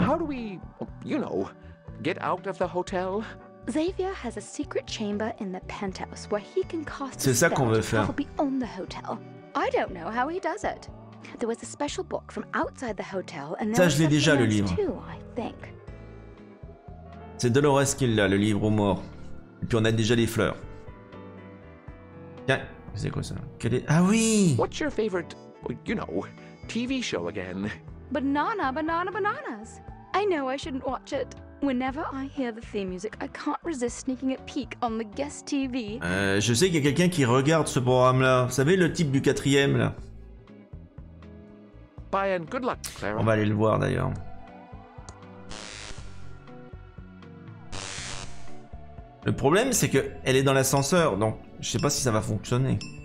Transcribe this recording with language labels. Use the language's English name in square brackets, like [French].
[English] How do we, you know, get out of the hotel? Xavier has a secret chamber in the penthouse where he can cast. [French] C'est ça qu'on veut faire. [English] Probably own the hotel. I don't know how he does it. There was a special book from outside the hotel and [French] ça, je l'ai déjà le livre. [English] Too, I think. [French] C'est Dolores qui l'a, le livre aux morts. Et puis on a déjà les fleurs. Tiens, c'est quoi ça? Quel est... Ah oui. [English] What's your favorite, you know, TV show again? Banana, banana, bananas. I know I shouldn't watch it. Whenever I hear the theme music, I can't resist sneaking a peek on the guest TV. [French] Je sais qu'il y a quelqu'un qui regarde ce programme-là. Vous savez, le type du quatrième, là. [English] Bye and good luck, Clara. [French] On va aller le voir, d'ailleurs. Le problème, c'est que elle est dans l'ascenseur, donc je sais pas si ça va fonctionner.